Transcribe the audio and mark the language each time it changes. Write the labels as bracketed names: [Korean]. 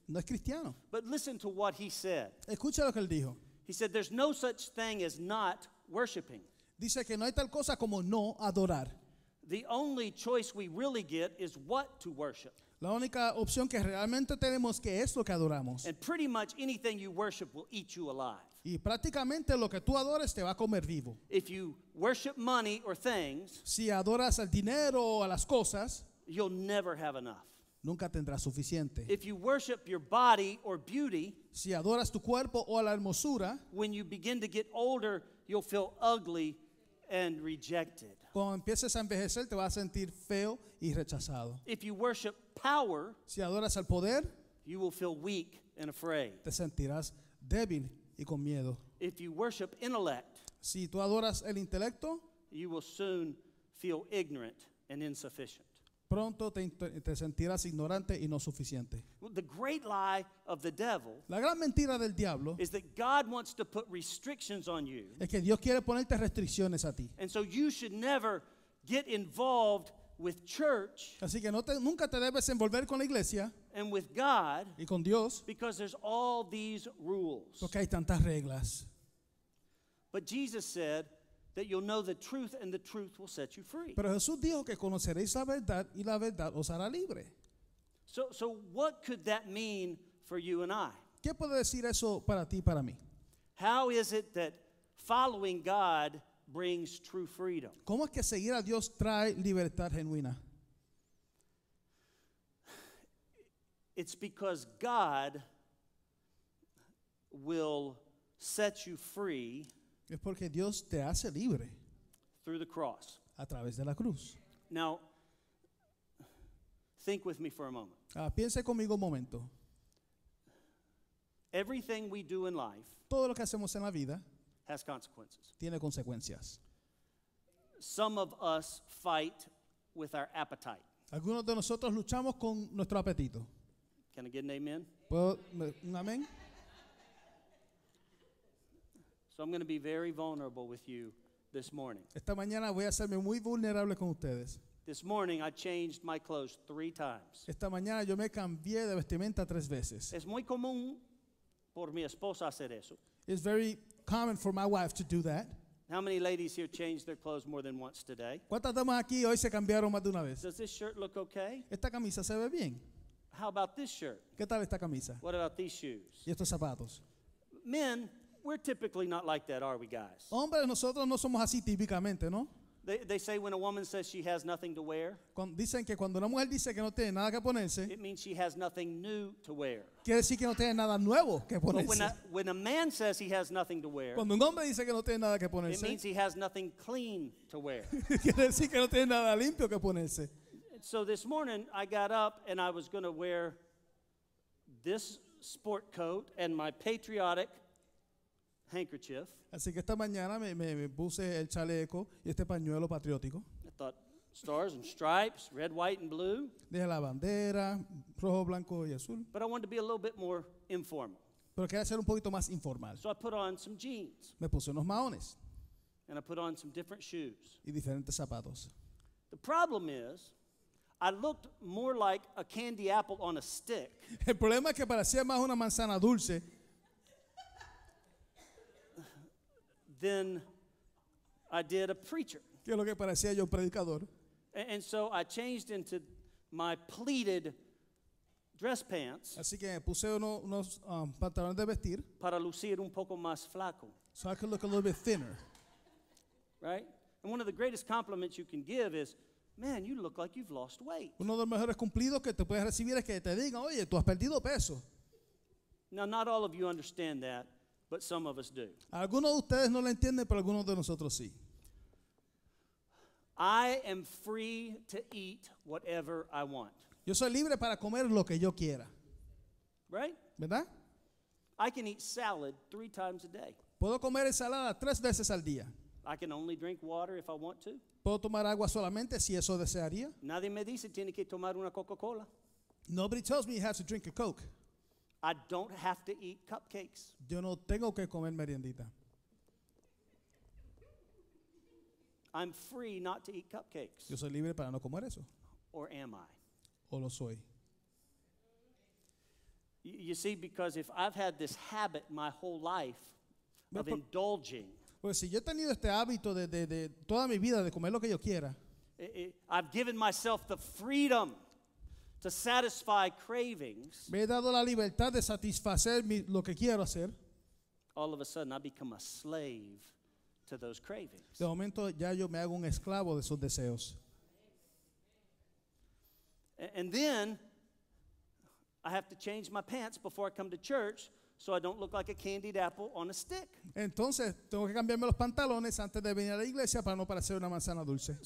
[Spanish] No es cristiano. [English] But listen to what he said. [Spanish] Escucha lo que él dijo. [English] He said, there's no such thing as not worshiping. [Spanish] Dice que no hay tal cosa como no adorar. [English] The only choice we really get is what to worship. [Spanish] La única opción que realmente tenemos que es lo que adoramos. [English] And pretty much anything you worship will eat you alive. [Spanish] Y prácticamente lo que tú adores te va a comer vivo. [English] If you worship money or things, [Spanish] si adoras al dinero o a las cosas, [English] you'll never have enough. [Spanish] Nunca tendrás suficiente. [English] If you worship your body or beauty, [Spanish] si adoras tu cuerpo o la hermosura, [English] when you begin to get older, you'll feel ugly and rejected. [Spanish] Cuando empieces a envejecer, te vas a sentir feo y rechazado. [English] If you worship power, [Spanish] si adoras al poder, [English] you will feel weak and afraid. [Spanish] Te sentirás débil y con miedo. [English] If you worship intellect, [Spanish] si tú adoras el intelecto, [English] you will soon feel ignorant and insufficient. [Spanish] Pronto te sentirás ignorante y no suficiente. [English] The great lie of the devil, [Spanish] la gran mentira del diablo, [English] is that God wants to put restrictions on you. [Spanish] Es que Dios quiere ponerte restricciones a ti. [English] And so you should never get involved with church. [Spanish] Así que nunca te debes envolver con la iglesia. [English] And with God. [Spanish] Y con Dios. [English] Because there's all these rules. [Spanish] Porque hay tantas reglas. [English] But Jesus said that you'll know the truth and the truth will set you free. [Spanish] Pero Jesús dijo que conoceréis la verdad y la verdad os hará libre. [English] So what could that mean for you and I? [Spanish] ¿Qué puede decir eso para ti y para mí? [English] How is it that following God brings true freedom? [Spanish] ¿Cómo es que seguir a Dios trae libertad genuina? [English] It's because God will set you free. [Spanish] Es porque Dios te hace libre. [English] Through the cross. [Spanish] A través de la cruz. [English] Now, think with me for a moment. [Spanish] Piense conmigo un momento. [English] Everything we do in life, [Spanish] todo lo que hacemos en la vida, [English] has consequences. [Spanish] Tiene consecuencias. [English] Some of us fight with our appetite. [Spanish] Algunos de nosotros luchamos con nuestro apetito. [English] Can I get an amen? [Spanish] ¿Puedo un amén? [English] So I'm going to be very vulnerable with you this morning. [Spanish] Esta mañana voy a hacerme muy vulnerable con ustedes. [English] This morning I changed my clothes 3 times. [Spanish] Esta mañana yo me cambié de vestimenta 3 veces. Es muy común por mi esposa hacer eso. [English] It's very common for my wife to do that. How many ladies here changed their clothes more than once today? [Spanish] ¿Cuántas damas aquí hoy se cambiaron más de una vez? [English] Does this shirt look okay? [Spanish] ¿Esta camisa se ve bien? [English] How about this shirt? [Spanish] ¿Qué tal esta camisa? [English] What about these shoes? [Spanish] ¿Y estos zapatos? [English] Men, we're typically not like that, are we guys? [Spanish] Hombres, nosotros no somos así típicamente, ¿no? [English] They say when a woman says she has nothing to wear, [Spanish] dicen que cuando una mujer dice que no tiene nada que ponerse, [English] it means she has nothing new to wear. [Spanish] Quiere decir que no tiene nada nuevo que ponerse. [English] But when a man says he has nothing to wear, [Spanish] cuando un hombre dice que no tiene nada que ponerse, [English] it means he has nothing clean to wear. [Spanish] Quiere decir que no tiene nada limpio que ponerse. [English] So this morning I got up and I was going to wear this sport coat and my patriotic handkerchief. [Spanish] Así que esta mañana me puse el chaleco y este pañuelo patriótico. [English] I thought stars and stripes, red, white, and blue. [Spanish] Dejé la bandera, rojo, blanco y azul. [English] But I wanted to be a little bit more informal. [Spanish] Pero quería ser un poquito más informal. [English] So I put on some jeans. [Spanish] Me puse unos mahones. [English] And I put on some different shoes. [Spanish] Y diferentes zapatos. [English] The problem is, I looked more like a candy apple on a stick. [Spanish] El problema es que parecía más una manzana dulce. [English] Then I did a preacher. [Spanish] ¿Qué es lo que parecía yo, predicador? [English] And so I changed into my pleated dress pants. [Spanish] Así que puse unos pantalones de vestir. Para lucir un poco más flaco. [English] So I could look a little bit thinner. Right? And one of the greatest compliments you can give is, man, you look like you've lost weight. [Spanish] Uno de los mejores cumplidos que te puedes recibir es que te digan, oye, tú has perdido peso. [English] Now, not all of you understand that. But some of us do. [Spanish] Algunos de ustedes no lo entienden, pero algunos de nosotros sí. [English] I am free to eat whatever I want. [Spanish] Yo soy libre para comer lo que yo quiera. [English] Right? [Spanish] ¿Verdad? [English] I can eat salad 3 times a day. [Spanish] Puedo comer ensalada 3 veces al día. [English] I can only drink water if I want to. [Spanish] Puedo tomar agua solamente si eso desearía. Nadie me dice tiene que tomar una Coca-Cola. [English] Nobody tells me you have to drink a Coke. I don't have to eat cupcakes. [Spanish] Yo no tengo que comer meriendita. [English] I'm free not to eat cupcakes. [Spanish] Yo soy libre para no comer eso. [English] Or am I? [Spanish] O lo soy. [English] You see, because if I've had this habit my whole life of indulging, [Spanish] pues si yo he tenido este hábito de toda mi vida de comer lo que yo quiera, [English] I've given myself the freedom to satisfy cravings. [Spanish] Me he dado la libertad de satisfacer lo que quiero hacer. [English] All of a sudden, I become a slave to those cravings. [Spanish] De momento, ya yo me hago un esclavo de esos deseos. [English] And then, I have to change my pants before I come to church so I don't look like a candied apple on a stick. [Spanish] Entonces, tengo que cambiarme los pantalones antes de venir a la iglesia para no parecer una manzana dulce.